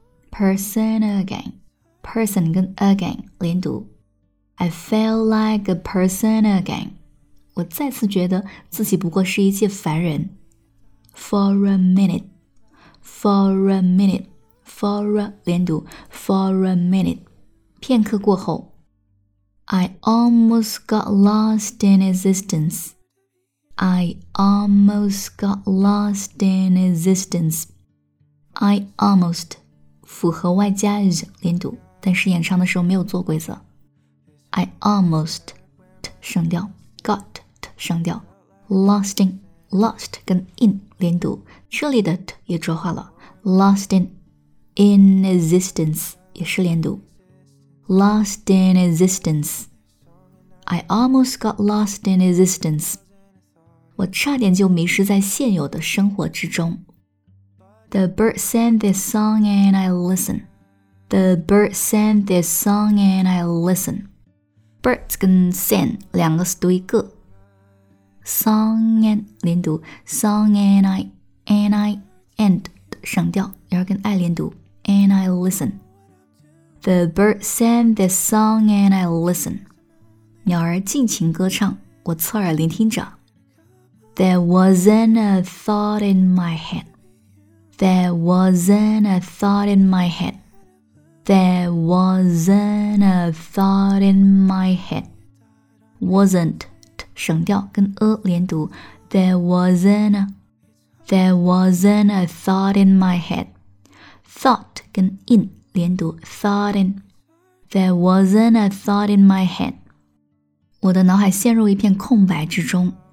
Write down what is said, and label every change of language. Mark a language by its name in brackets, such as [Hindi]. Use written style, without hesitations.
[English] person again person 跟 again 连读 I feel like a person again [Chinese] 我再次觉得自己不过是一介凡人 [English] for a minute for a minute for a 连读 for a minute [Chinese] 片刻过后 [English] I almost got lost in existence. I almost got lost in existence. [Chinese] I almost 符合外加 z 连读，但是演唱的时候没有做规则。 I almost t 省掉 ，got t 省掉 ，lost in lost 跟 in 连读，这里的 t 也浊化了。 Lost in existence 也是连读。 [English] Lost in existence. I almost got lost in existence. [Chinese] 我差点就迷失在现有的生活之中。 [English] The bird sang this song and I listen. The bird sang this song and I listen. Birds 跟 sang [Chinese] 两个读一个。 [English] Song and 连读 Song and I and 省掉然后跟 I 连读 And I listen. The bird sang this song and I listen. [Chinese] 鸟儿尽情歌唱，我侧耳聆听着。 [English] There wasn't a thought in my head. There wasn't a thought in my head. There wasn't a thought in my head. [Chinese] Wasn't 省掉跟 a 连读。 [English] There wasn't a. There wasn't a thought in my head. Thought 跟 in 连读 thought in. There wasn't a thought in my head. [Chinese] 我的脑海陷入一片空白之中。